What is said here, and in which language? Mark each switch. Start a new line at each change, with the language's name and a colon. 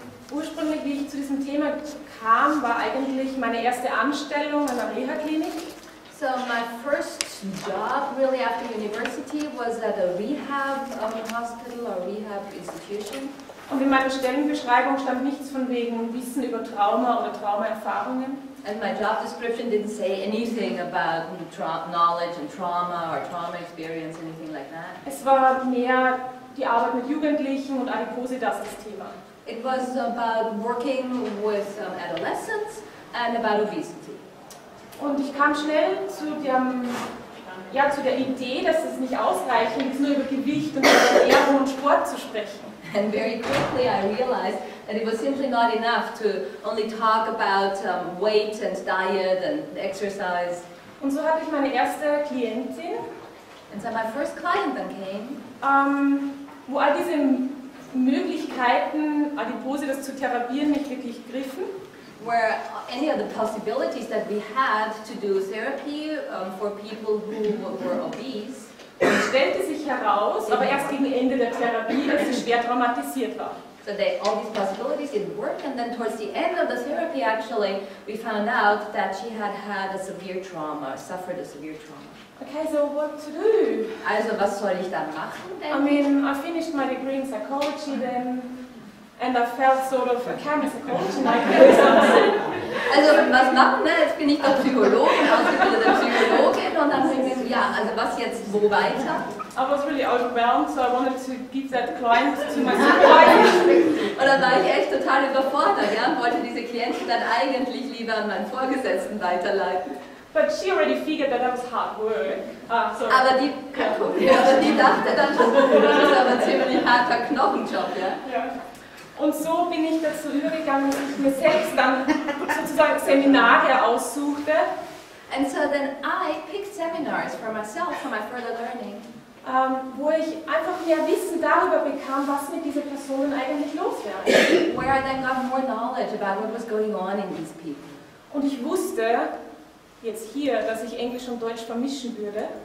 German: Ursprünglich, wie ich zu diesem Thema kam, war eigentlich meine erste Anstellung an der Reha-Klinik.
English: So my first job really after university was at a rehab hospital or rehab institution.
German: Und in meiner Stellenbeschreibung stand nichts von wegen Wissen über Trauma oder Traumaerfahrungen.
English: And my job description didn't say anything about knowledge and trauma or trauma experience, anything like that.
German: Es war mehr die Arbeit mit Jugendlichen und Adipositas das Thema.
English: It was about working with adolescents and about obesity.
German: Und ich kam schnell zu der Idee, dass es nicht ausreichend ist, nur über Gewicht und Ernährung und Sport zu sprechen.
English: And very quickly I realized that it was simply not enough to only talk about weight and diet and exercise.
German: Und so hatte ich meine erste Klientin.
English: And so my first client then came.
German: Wo all diese Möglichkeiten, Adipositas zu therapieren, nicht wirklich griffen.
English: Where any of the possibilities that we had to do therapy for people who were obese.
German: Und stellte sich heraus, aber erst gegen Ende der Therapie, dass schwer traumatisiert war.
English: So they, all these possibilities didn't work, and then towards the end of the therapy, actually, we found out that she had had a severe trauma, suffered a severe trauma. Okay, so what to do?
German: Also, was soll ich dann machen, denn?
English: I mean, I finished my degree in psychology then, and I felt sort of, okay, I'm a psychologist, and I can do something.
German: Also, was machen, ne? Jetzt bin ich doch Psychologin, ausgebildete Psychologin, und dann bin ich, ja, also was jetzt, wo weiter?
English: I was really overwhelmed, so I wanted to give that client to my supervisor.
German: Oder war ich echt total überfordert, ja? Wollte diese Klientin dann eigentlich lieber an meinen Vorgesetzten weiterleiten.
English: But she already figured that that was hard work. Sorry.
German: Aber die, yeah. Aber die dachte dann schon, das ist aber ziemlich harter Knochenjob, ja?
English: Yeah.
German: Und so bin ich dazu übergegangen, dass ich mir selbst dann sozusagen Seminare aussuchte.
English: And so then I picked seminars for myself, for my further learning.
German: Wo ich einfach mehr Wissen darüber bekam, was mit dieser Person eigentlich los war.
English: Where I then got more knowledge about what was going on in these people.
German: Und ich wusste jetzt hier, dass ich Englisch und Deutsch vermischen würde.